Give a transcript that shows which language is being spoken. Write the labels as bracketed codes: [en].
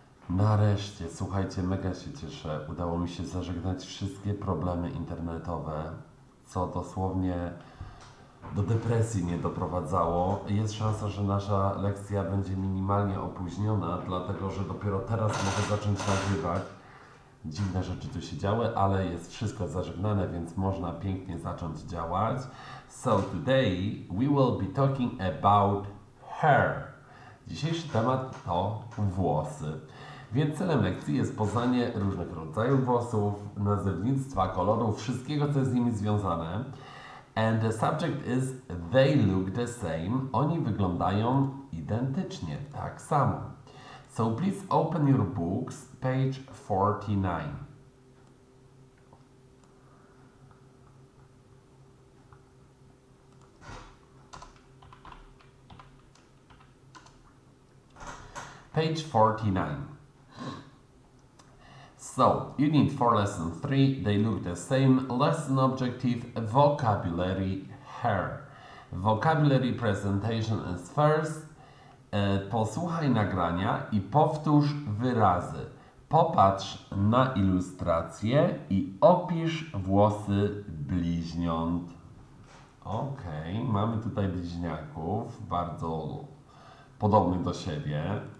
[pl] Nareszcie, słuchajcie, mega się cieszę. Udało mi się zażegnać wszystkie problemy internetowe, co dosłownie do depresji mnie doprowadzało. Jest szansa, że nasza lekcja będzie minimalnie opóźniona, dlatego że dopiero teraz mogę zacząć nagrywać. Dziwne rzeczy tu się działy, ale jest wszystko zażegnane, więc można pięknie zacząć działać. [en] So today we will be talking about hair. [pl] Dzisiejszy temat to włosy. Więc celem lekcji jest poznanie różnych rodzajów włosów, nazewnictwa, kolorów, wszystkiego, co jest z nimi związane. [en] And the subject is they look the same. [pl] Oni wyglądają identycznie, tak samo. [en] So please open your books, page 49. Page 49. So, you need for lesson 3, they look the same. Lesson objective, vocabulary, hair. Vocabulary presentation is first. [pl] Posłuchaj nagrania i powtórz wyrazy. Popatrz na ilustrację i opisz włosy bliźniąt. Ok, mamy tutaj bliźniaków, bardzo podobnych do siebie.